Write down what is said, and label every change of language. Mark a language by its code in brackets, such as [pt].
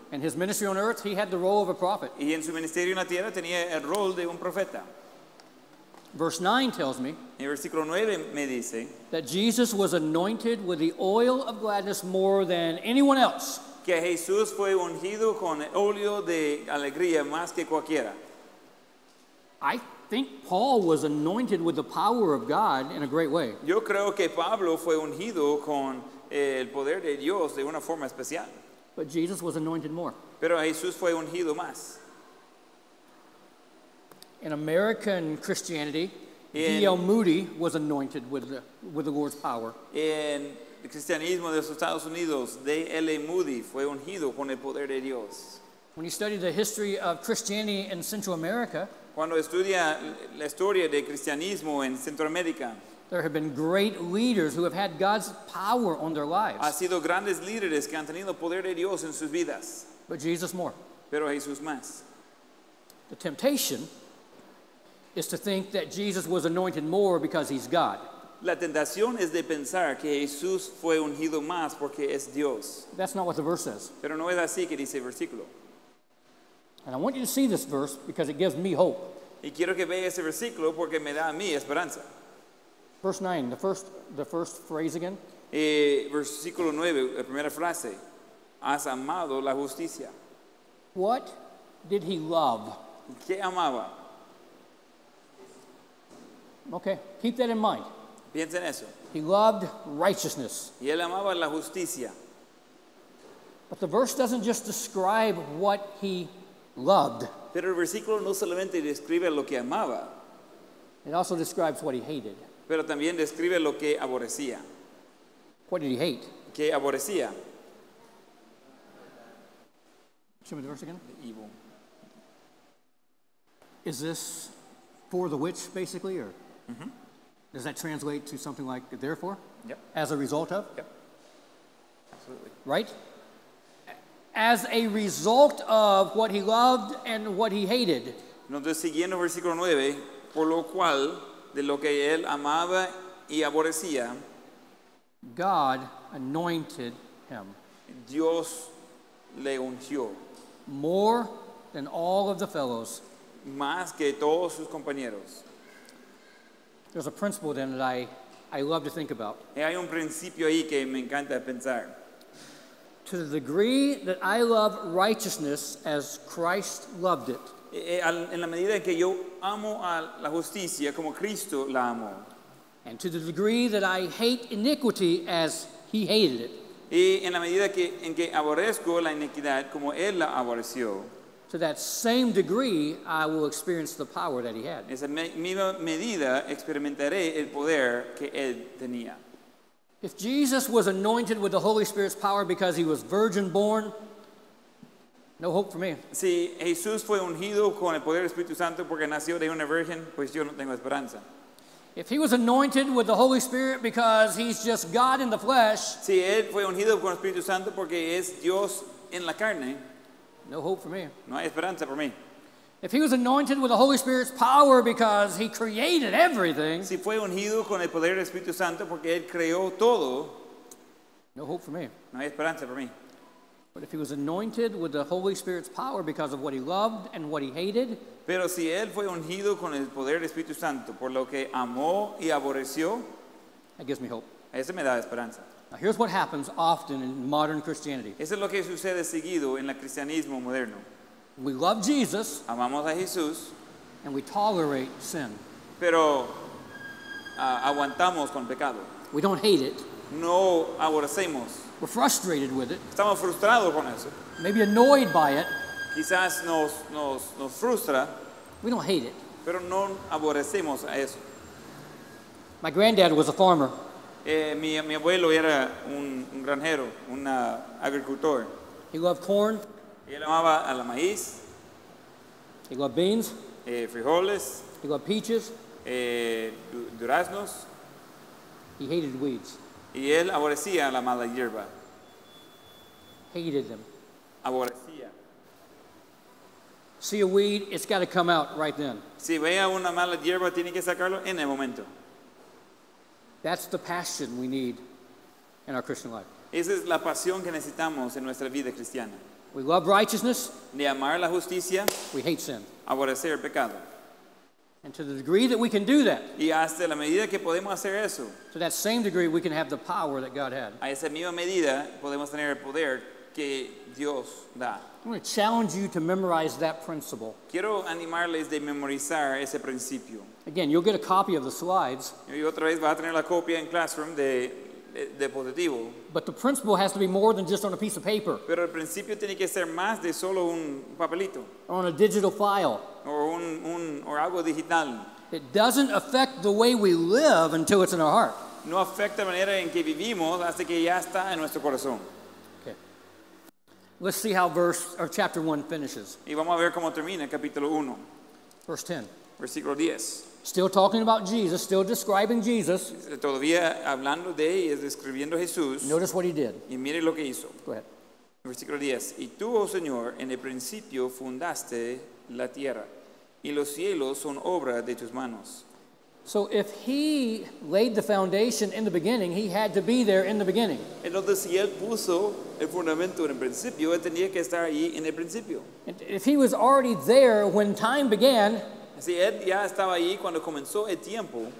[en] And his ministry on earth, he had the role of a prophet. [es] Y en su ministerio en la tierra tenía el rol de un profeta. [en] Verse 9 tells me, [es] en versículo 9 me dice, [en] that Jesus was anointed with the oil of gladness more than anyone else. [es] Que Jesús fue ungido con óleo de alegría más que cualquiera. [en] I think Paul was anointed with the power of God in a great way. [es] Yo creo que Pablo fue ungido con el poder de Dios de una forma especial. [en] But Jesus was anointed more. [es] Pero Jesús fue ungido más. [en] In American Christianity, D.L. Moody was anointed with the Lord's power. [es] En el cristianismo de los Estados Unidos, D.L. Moody fue ungido con el poder de Dios. [en] When you study the history of Christianity in Central America, [es] cuando estudia la historia de cristianismo en Centroamérica, [en] There have been great leaders who have had God's power on their lives. [es] Ha sido grandes líderes que han tenido poder de Dios en sus vidas. [en] But Jesus more. [es] Pero Jesús más. [en] The temptation is to think that Jesus was anointed more because he's God. [es] La tentación es de pensar que Jesús fue ungido más porque es Dios. [en] That's not what the verse says. [es] Pero no es así que dice el versículo. [en] And I want you to see this verse because it gives me hope. [es] Y quiero que veas ese versículo porque me da a mí esperanza. [en] Verse 9, the first phrase again. [es] Versículo 9, la primera frase. Has amado la justicia. [en] What did he love? [es] ¿Qué amaba? [en] Okay, keep that in mind. [es] Piensa en eso. [en] He loved righteousness. [es] Y él amaba la justicia. [en] But the verse doesn't just describe what he loved. [es] Pero el versículo no solamente describe lo que amaba. [en] It also describes what he hated. [es] Pero también describe lo que aborrecía. [en] What did he hate? [es] ¿Qué aborrecía? [en] Show me the verse again. The evil. Is this for the which, basically, or does that translate to something like therefore? Yep. As a result of? Yep. Absolutely. Right? As a result of what he loved and what he hated. [es] Entonces, siguiendo versículo 9, por lo cual, de lo que él amaba y aborrecía, [en] God anointed him. [es] Dios le ungió. [en] More than all of the fellows. [es] Más que todos sus compañeros. [en] There's a principle then that I love to think about. [es] Y hay un principio ahí que me encanta pensar. [en] To the degree that I love righteousness as Christ loved it. [es] En la medida que yo amo a la justicia como Cristo la amó. [en] And to the degree that I hate iniquity as he hated it. [es] Y en la medida en que aborrezco la iniquidad como él la aborreció. [en] To that same degree, I will experience the power that he had. [es] En esa misma medida experimentaré el poder que él tenía. [en] If Jesus was anointed with the Holy Spirit's power because he was virgin born, no hope for me. [es] Si Jesús fue ungido con el poder del Espíritu Santo porque nació de una virgen, pues yo no tengo esperanza. [en] If he was anointed with the Holy Spirit because he's just God in the flesh, [es] si él fue ungido con el Espíritu Santo porque es Dios en la carne, [en] no hope for me. [es] No hay esperanza por mí. [en] If he was anointed with the Holy Spirit's power because he created everything, [es] si fue ungido con el poder del Espíritu Santo porque él creó todo, [en] no hope for me. [es] No hay esperanza por mí. [en] But if he was anointed with the Holy Spirit's power because of what he loved and what he hated, [es] pero si él fue ungido con el poder del Espíritu Santo por lo que amó y aborreció, [en] that gives me hope. [es] Ese me da esperanza. [en] Now here's what happens often in modern Christianity. [es] Eso es lo que sucede seguido en el cristianismo moderno. [en] We love Jesus. [es] Amamos a Jesús. [en] And we tolerate sin. [es] Pero aguantamos con pecado. [en] We don't hate it. [es] No aborrecemos. [en] We're frustrated with it. [es] Estamos frustrados con eso. [en] Maybe annoyed by it. [es] Quizás nos frustra. [en] We don't hate it. [es] Pero no aborrecemos a eso. [en] My granddad was a farmer. [es] Mi abuelo era un granjero, un agricultor. [en] He loved corn. [es] Y él amaba a la maíz. [en] He loved beans. [es] Frijoles. [en] He loved peaches. [es] Duraznos. [en] He hated weeds. [es] Y él aborrecía la mala hierba. [en] Hated them. [es] Aborrecía. [en] See a weed, it's got to come out right then. [es] Si vea una mala hierba, tiene que sacarlo en el momento. [en] That's the passion we need in our Christian life. [es] Esa es la pasión que necesitamos en nuestra vida cristiana. [en] We love righteousness. [es] De amar la justicia. [en] We hate sin. [es] Aborrecer pecado. [en] And to the degree that we can do that. [es] Y hasta la medida que podemos hacer eso. [en] To that same degree we can have the power that God had. [es] A esa misma medida podemos tener el poder que Dios da. [en] I'm going to challenge you to memorize that principle. [es] Quiero animarles de memorizar ese principio. [en] Again, you'll get a copy of the slides. [es] Y otra vez vas a tener la copia en classroom de positivo. [en] But the principle has to be more than just on a piece of paper. [es] Pero el principio tiene que ser más de solo un papelito. [en] Or on a digital file. [es] Or algo digital. [en] It doesn't affect the way we live until it's in our heart. [es] No afecta la manera en que vivimos hasta que ya está en nuestro corazón. [en] Okay. Let's see how chapter 1 finishes. [es] Y vamos a ver cómo termina capítulo 1. [en] Verse 10. [es] Versículo 10. [en] Still talking about Jesus, still describing Jesus. [es] Todavía hablando de y describiendo Jesús. [en] Notice what he did. [es] Y mire lo que hizo. [en] Go ahead. [es] Versículo 10. Y tú, oh Señor, en el principio fundaste la tierra, y los cielos son obra de tus manos. [en] So if he laid the foundation in the beginning, he had to be there in the beginning. [es] Entonces, si él puso el fundamento en el principio, él tenía que estar ahí en el principio. [en] And if he was already there when time began, [es] si él ya estaba ahí cuando comenzó el tiempo,